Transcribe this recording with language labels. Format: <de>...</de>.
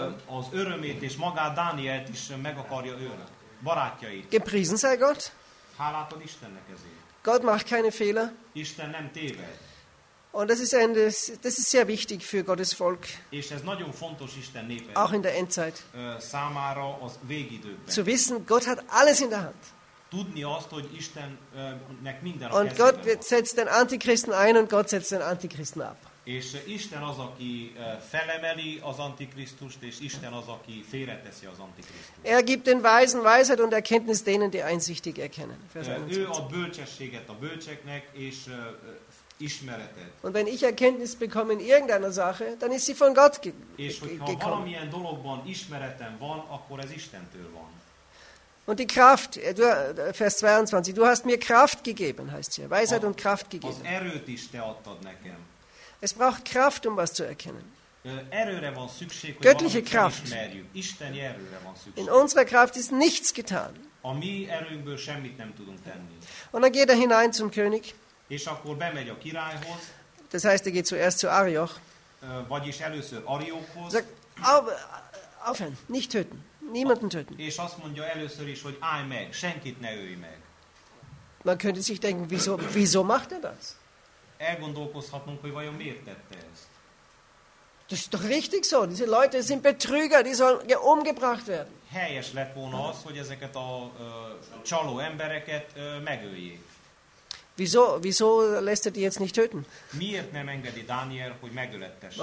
<hu>Az örömét és magát Dánielt is meg akarja ölni. Barátjait.</hu> <de>Gepriesen sei Gott.</de> <hu>Hálát ad Istennek ezért.</hu> <de>Gott macht keine Fehler.</de> <hu>Isten nem téved.</hu> <de>Und das ist sehr wichtig für Gottes Volk.</de> <hu>És ez nagyon fontos Isten népe.</hu> <de>Auch in der Endzeit.</de> <hu>Számára az végidőkben.</hu> <de>Zu wissen, Gott hat alles in der Hand.</de> <hu>Tudni azt, hogy Istennek minden a</hu> <de>kezében. Und Gott setzt den Antichristen ein und Gott setzt den Antichristen ab.</de> <hu>És Isten az, aki felemeli az Antikrisztust, és Isten az, aki félreteszi az Antikrisztust.</hu> <de>Er gibt den Weisen Weisheit und Erkenntnis denen, die einsichtig erkennen.</de> <hu>Ő ad bölcsességet a bölcseknek, és ismeretet.</hu> <de>Und wenn ich Erkenntnis bekomme in irgendeiner Sache, dann ist sie von Gott</de> <hu>és hogyha</hu> <de>gekommen.</de> <hu>Valamilyen dologban ismeretem van, akkor ez Istentől van.</hu> <de>Und die Kraft, Vers 22, du hast mir Kraft gegeben, heißt hier, Weisheit und Kraft gegeben.</de> <hu>Az erőt is te adtad nekem.</hu> <de>Es braucht Kraft, um was zu erkennen.</de> <hu>Erőre van szükség, hogy</hu> <de>göttliche Kraft.</de> <hu>Isten erőre van szükség.</hu> <de>In unserer Kraft ist nichts getan.</de> <hu>A mi erőnkből semmit nem tudunk tenni.</hu> <de>Und dann geht er hinein zum König.</de> <hu>És akkor bemegy a királyhoz.</hu> <de>Das heißt, er geht zuerst zu Arioch.</de> <hu>Vagyis először Ariókhoz.</hu> <de>Sagt, aufhören, nicht töten. Niemanden töten.</de> <hu>És azt mondja először is, hogy állj meg, senkit ne ölj meg.</hu> <de>Man könnte sich denken, wieso macht er das?</de> <hu>elgondolkozhatnunk, hogy vajon miért tette ezt.</hu> <de>Das ist doch richtig so. Diese Leute sind Betrüger, die sollen umgebracht werden.</de> <hu>Helyes lett volna az, hogy ezeket a csaló embereket megöljék.</hu> <de>Wieso lässt er die jetzt nicht töten?</de> <hu>Miért nem engedi Dániel, hogy megölettesse?</hu>